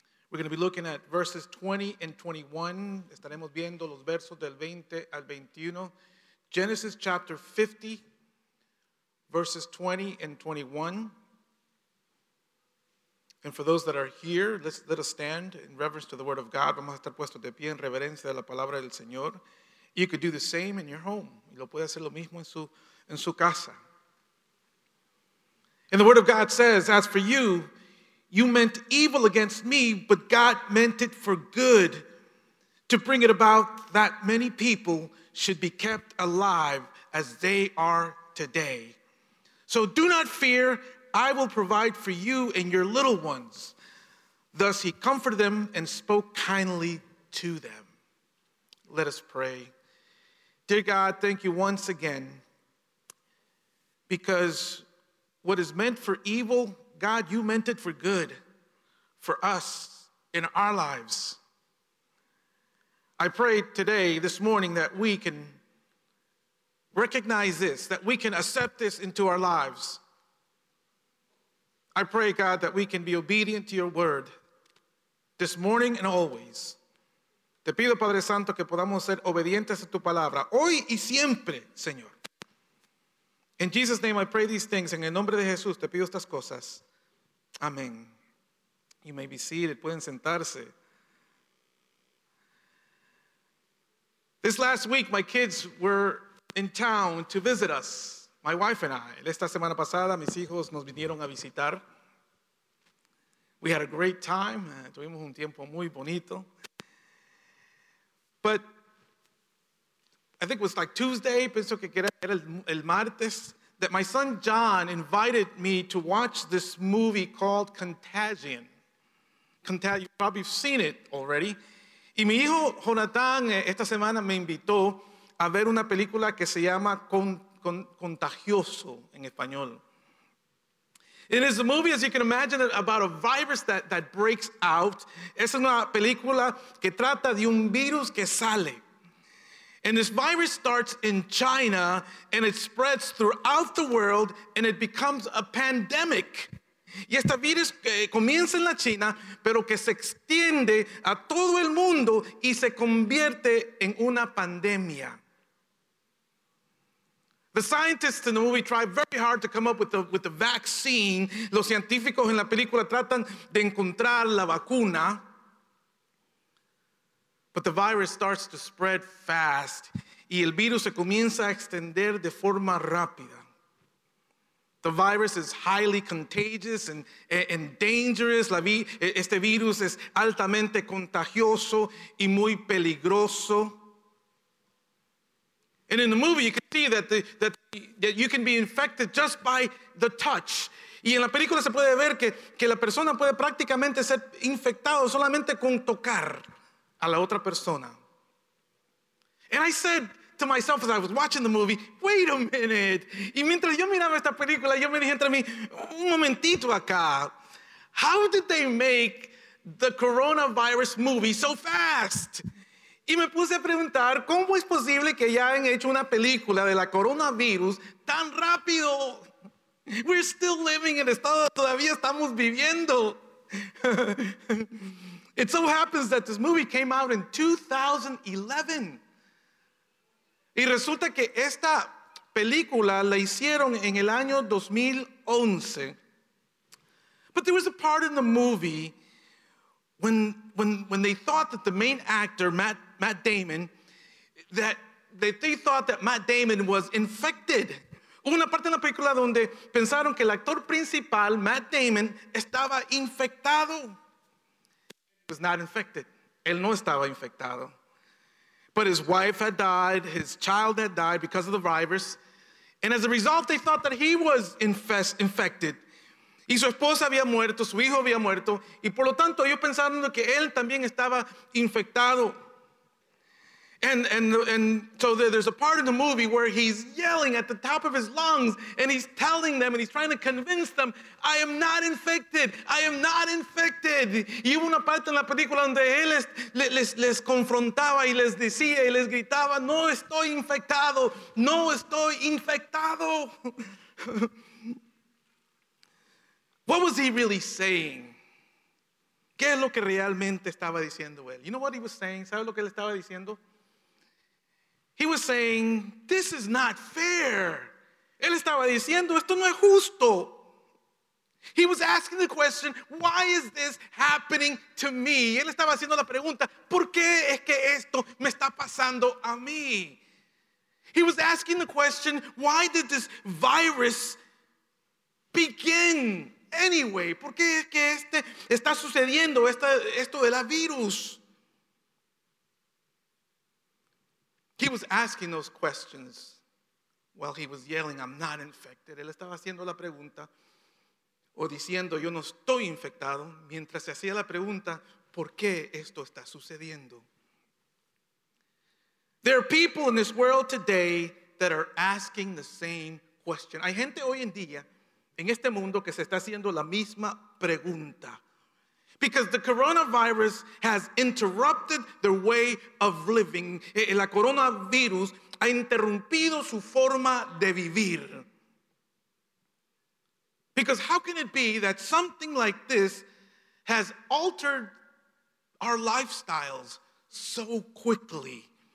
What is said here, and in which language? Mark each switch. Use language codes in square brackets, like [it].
[en] We're going to be looking at verses 20 and 21. [es] Estaremos viendo los versos del 20 al 21. [en] Genesis chapter 50, verses 20 and 21. And for those that are here, let us stand in reverence to the word of God. [es] Vamos a estar puestos de pie en reverencia de la palabra del Señor. [en] You could do the same in your home. [es] Y lo puede hacer lo mismo en su casa. [en] And the word of God says, as for you, you meant evil against me, but God meant it for good, to bring it about that many people should be kept alive as they are today. So do not fear, I will provide for you and your little ones. Thus he comforted them and spoke kindly to them. Let us pray. Dear God, thank you once again, because what is meant for evil, God, you meant it for good, for us, in our lives. I pray today, this morning, that we can recognize this, that we can accept this into our lives. I pray, God, that we can be obedient to your word this morning and always. [es] Te pido, Padre Santo, que podamos ser obedientes a tu palabra, hoy y siempre, Señor. [en] In Jesus' name, I pray these things. [es] En el nombre de Jesús, te pido estas cosas. Amén. [en] You may be seated. [es] Pueden sentarse. [en] This last week, my kids were in town to visit us, my wife and I. [es] Esta semana pasada, mis hijos nos vinieron a visitar. [en] We had a great time. [es] Tuvimos un tiempo muy bonito. [en] But I think it was like Tuesday, [es] pienso que era el martes, [en] that my son John invited me to watch this movie called Contagion. You've probably seen it already. [es] Y mi hijo Jonathan esta semana me invitó a ver una película que se llama Contagioso en español. [en] It is a movie, as you can imagine, about a virus that breaks out. [es] Es una película que trata de un virus que sale. [en] And this virus starts in China and it spreads throughout the world and it becomes a pandemic. [es] Y este virus comienza en la China, pero que se extiende a todo el mundo y se convierte en una pandemia. [en] The scientists in the movie try very hard to come up with the vaccine. [es] Los científicos en la película tratan de encontrar la vacuna. [en] But the virus starts to spread fast. [es] Y el virus se comienza a extender de forma rápida. [en] The virus is highly contagious and dangerous. [es] Este virus es altamente contagioso y muy peligroso. [en] And in the movie, you can see that you can be infected just by the touch. [es] Y en la película se puede ver que la persona puede prácticamente ser infectado solamente con tocar a la otra persona. [en] And I said to myself as I was watching the movie, wait a minute. [es] Y mientras yo miraba esta película, yo me dije entre mí, un momentito acá. [en] How did they make the coronavirus movie so fast? [es] Y me puse a preguntar, ¿cómo es posible que ya han hecho una película de la coronavirus tan rápido? [en] We're still living in [es] estado, todavía estamos viviendo. [en] It so happens that this movie came out in 2011. [es] Y resulta que esta película la hicieron en el año 2011. [en] But there was a part in the movie when they thought that the main actor, Matt Damon, that they thought that Matt Damon was infected. [es] Hubo una parte en la película donde pensaron que el actor principal, Matt Damon, estaba infectado. [en] Was not infected. [es] Él no estaba infectado. [en] But his wife had died, his child had died because of the virus. And as a result, they thought that he was infected. [es] Y su esposa había muerto, su hijo había muerto. Y por lo tanto, ellos pensaron que él también estaba infectado. [en] And so there's a part in the movie where he's yelling at the top of his lungs, and he's telling them, and he's trying to convince them, I am not infected. I am not infected. [es] Y hubo una parte en la película donde él les confrontaba y les decía y les gritaba, no estoy infectado. No estoy infectado. [en] What was he really saying? [es] ¿Qué es lo que realmente estaba diciendo él? [en] You know what he was saying? [es] ¿Sabes lo que él estaba diciendo? [en] He was saying, this is not fair. [es] Él estaba diciendo, esto no es justo. [en] He was asking the question, why is this happening to me? [es] Él estaba haciendo la pregunta, ¿por qué es que esto me está pasando a mí? [en] He was asking the question, why did this virus begin anyway? [es] ¿Por qué es que este está sucediendo esto de la virus? [en] He was asking those questions while he was yelling, I'm not infected. [es] Él estaba haciendo la pregunta o diciendo, yo no estoy infectado, mientras se hacía la pregunta, ¿por qué esto está sucediendo? [en] There are people in this world today that are asking the same question. [es] Hay gente hoy en día en este mundo que se está haciendo la misma pregunta. [en] Because the coronavirus has interrupted their way of living. [es] El coronavirus ha interrumpido su forma de vivir. [en] Because how can it be that something like this has altered our lifestyles so quickly?